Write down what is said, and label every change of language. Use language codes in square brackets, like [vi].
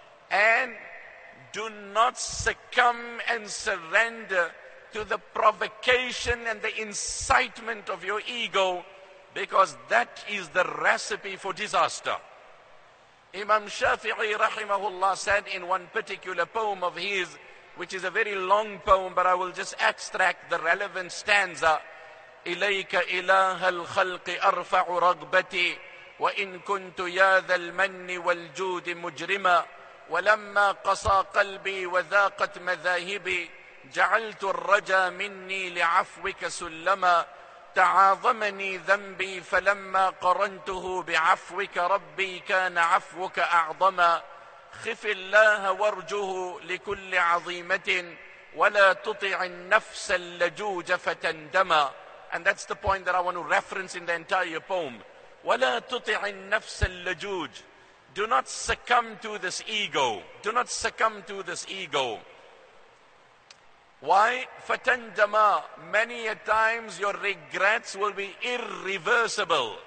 [en] And do not succumb and surrender to the provocation and the incitement of your ego, because that is the recipe for disaster. Imam Shafi'i rahimahullah said in one particular poem of his, which is a very long poem, but I will just extract the relevant stanza. [ar] إِلَيْكَ إِلَهَ الْخَلْقِ أَرْفَعُ رَغْبَتِي وَإِنْ كُنْتُ يَا ذَا الْمَنِّ وَالْجُودِ مُجْرِمًا وَلَمَّا قَصَى قَلْبِي وَذَاقَتْ مَذَاهِبِي جعلت الرجا مني لعفوك سلما تعاظمني ذنبي فلما قرنته بعفوك ربي كان عفوك أعظما خف الله وارجه لكل عظيمة ولا تطع النفس اللجوج فتندما. [en] And that's the point that I want to reference in the entire poem. [ar] ولا تطع النفس اللجوج. [en] Do not succumb to this ego. Do not succumb to this ego. Why? [ar] فَتَنْدَمَا. [en] Many a times your regrets will be irreversible.